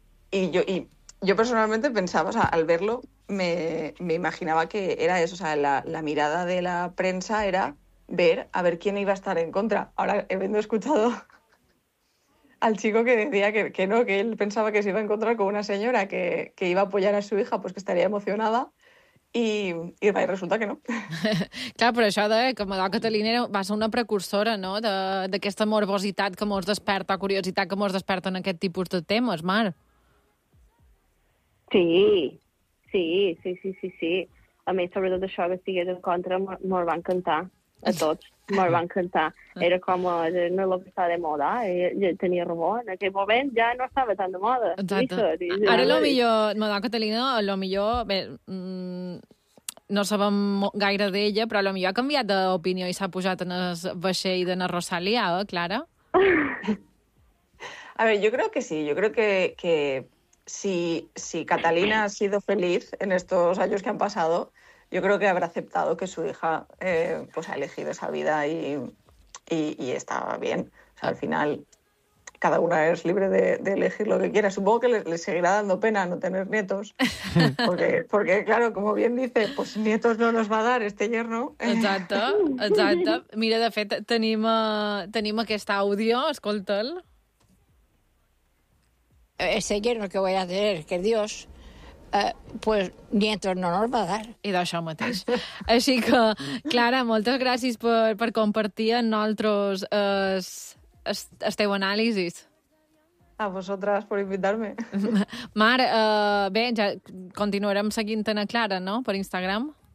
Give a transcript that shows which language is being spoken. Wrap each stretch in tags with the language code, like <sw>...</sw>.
<es>Y yo personalmente pensaba, o sea, al verlo, me imaginaba que era eso, o sea, la mirada de la prensa era ver a ver quién iba a estar en contra. Ahora, habiendo escuchado... al chico que decía que no, que él pensaba que se iba a encontrar con una señora que iba a apoyar a su hija, pues que estaría emocionada, y resulta que no.</es> <ca>Claro, però això de que Madó Catalina va ser una precursora, no?, d'aquesta morbositat que mos desperta, curiositat que mos desperta en aquest tipus de temes, Mar. Sí. A més, sobretot això, que estigués en contra, mos va encantar. A tots, me'l va encantar. Era com, no és el que està de moda, ja tenia raó, en aquell moment ja no estava tan de moda. Exacte. Ara, el millor, Madó Catalina, el millor, bé, no sabem gaire d'ella, però el millor ha canviat d'opinió i s'ha pujat en el vaixell de na Rosalia, Clara? A veure, jo crec que sí, jo crec que si</ca> <es>Catalina ha sido feliz en estos años que han pasado, yo creo que habrá aceptado que su hija pues ha elegido esa vida y está bien. O sea, al final, cada una es libre de elegir lo que quiera. Supongo que le seguirá dando pena no tener nietos. Porque claro, como bien dice, pues nietos no nos va a dar este yerno.</es> <ca>Exacte. Mira, de fet, tenim aquest àudio, escolta'l.</ca> <es>Este yerno que voy a tener, que Dios... pues nietos no nos va a dar.</es> <ca>I d'això mateix. Així que, Clara, moltes gràcies per compartir amb nosaltres el teu anàlisi. A vosaltres, per invitar-me. Mar, bé, ja continuarem seguint-te a Clara, no?, per Instagram.</ca>